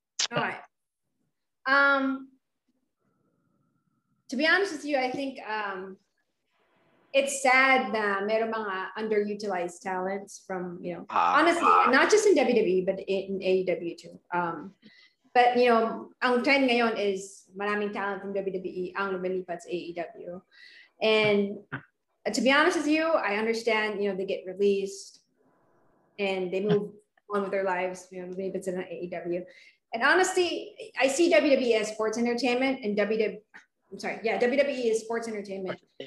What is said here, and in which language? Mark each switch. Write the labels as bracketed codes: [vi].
[en] Okay. To be honest with you, I think it's sad [tl] na meron mga [en] underutilized talents from, you know, honestly, not just in WWE, but in AEW too. But, you know, [tl] ang trend ngayon is maraming talent from WWE ang lumilipat sa AEW. [en] And to be honest with you, I understand, you know, they get released and they move on with their lives, you know, maybe it's in AEW. And honestly, I see WWE as sports entertainment and WWE is sports entertainment.